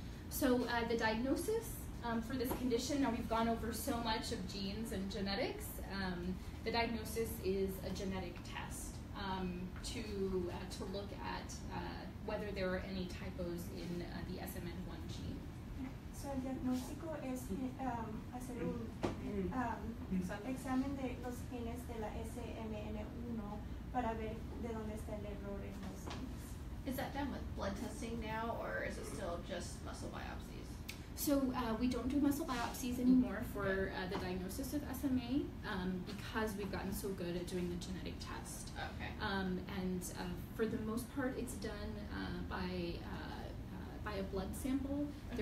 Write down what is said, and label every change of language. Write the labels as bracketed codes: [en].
[en] So the diagnosis for this condition, now we've gone over so much of genes and genetics, the diagnosis is a genetic test to look at whether there are any typos in the SMN1 gene. [es] So el diagnóstico es hacer un examen de los genes de la SMN1 para ver de dónde está el error en los genes. [en] Is that done with blood testing now, or is it still just muscle biopsies? So we don't do muscle biopsies anymore for the diagnosis of SMA because we've gotten so good at doing the genetic test. Okay. And for the most part, it's done by by a blood sample. Okay.